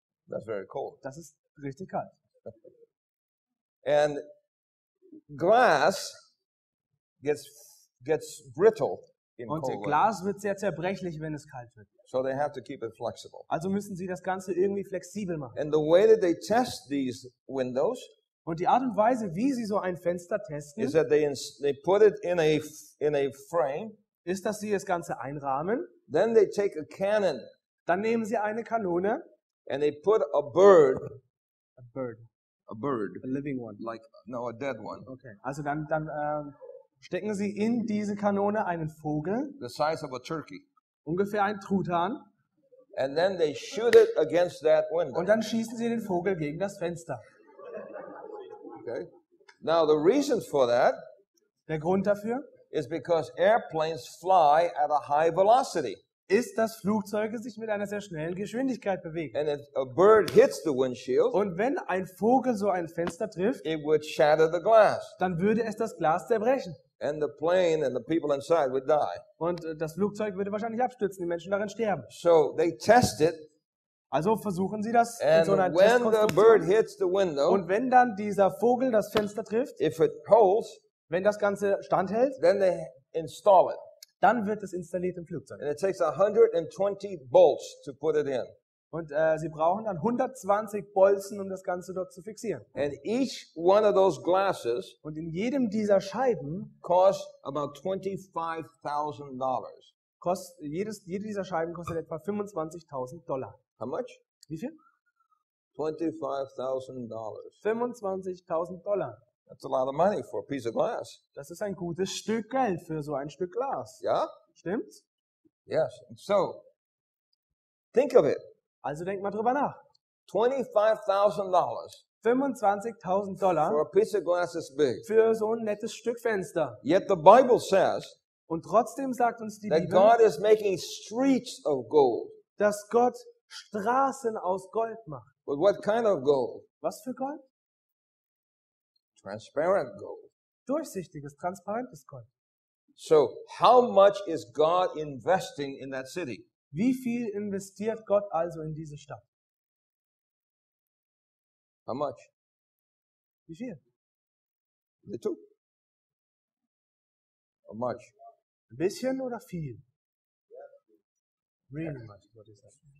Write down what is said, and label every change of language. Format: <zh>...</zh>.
<en>That's very cold.</en> <de>Das ist richtig kalt.</de> <en>And glass gets brittle in</en> <de>und</de> <en>cold.</en> <de>Und Glas wird sehr zerbrechlich, wenn es kalt wird.</de> <en>So they have to keep it flexible.</en> <de>Also müssen sie das Ganze irgendwie flexibel machen.</de> <en>And the way that they test these windows.</en> <de>Und die Art und Weise, wie sie so ein Fenster testen,</de> <en>is that they put it in a frame,</en> <de>ist, dass sie das Ganze einrahmen.</de> <en>Then they take a cannon,</en> <de>dann nehmen sie eine Kanone,</de> <en>and they put a bird, a living one, like no a dead one.</en> <de>Okay, also dann stecken sie in diese Kanone einen Vogel,</de> <en>the size of a turkey,</en> <de>ungefähr ein Truthahn.</de> <en>And then they shoot it against that window.</en> <de>Und dann schießen sie den Vogel gegen das Fenster.</de> <en>Okay. Now the reason for that,</en> <de>der Grund dafür,</de> <en>is because airplanes fly at a high velocity.</en> <de>Ist, dass Flugzeuge sich mit einer sehr schnellen Geschwindigkeit bewegen.</de> <en>And if a bird hits the windshield,</en> <de>und wenn ein Vogel so ein Fenster trifft,</de> <en>it would shatter the glass.</en> <de>Dann würde es das Glas zerbrechen.</de> <en>And the plane and the people inside would die.</en> <de>Und das Flugzeug würde wahrscheinlich abstürzen, die Menschen darin sterben.</de> <en>So they test it.</en> <de>Also versuchen sie das</de> <en>and</en> <de>in so einer</de> <en>when the bird hits the window,</en> <de>und wenn dann dieser Vogel das Fenster trifft,</de> <en>if it holds,</en> <de>wenn das Ganze standhält,</de> <en>then they install it.</en> <de>Dann wird es installiert im Flugzeug.</de> <en>And it takes 120 bolts to put it in.</en> <de>Und sie brauchen dann 120 Bolzen, um das Ganze dort zu fixieren.</de> <en>And each one of those glasses</en> <de>und in jedem dieser Scheiben</de> <en>costs about $25,000.</en> <de>Jede dieser Scheiben kostet etwa $25,000.</de> <en>How much?</en> <de>Wie viel?</de> <en>$25,000.</en> <de>$25,000.</de> <en>That's a lot of money for a piece of glass.</en> <de>Das ist ein gutes Stück Geld für so ein Stück Glas. Ja? Stimmt's?</de> <en>Yes. So, think of it.</en> <de>Also denk mal drüber nach.</de> <en>$25,000.</en> <de>$25,000.</de> <en>For a piece of glass is big.</en> <de>Für so ein nettes Stück Fenster.</de> <en>Yet the Bible says.</en> <de>Und trotzdem sagt uns die Bibel.</de> <en>That God is making streets of gold.</en> <de>Dass Gott Straßen aus Gold macht.</de> <en>But what kind of gold?</en> <de>Was für Gold?</de> <en>Transparent gold.</en> <de>Durchsichtiges, transparentes Gold.</de> <en>So, how much is God investing in that city?</en> <de>Wie viel investiert Gott also in diese Stadt?</de> <en>How much?</en> <de>Wie viel?</de> <en>Little. How much?</en> <de>Ein bisschen oder viel?</de> <en>Really much. What is that?</en>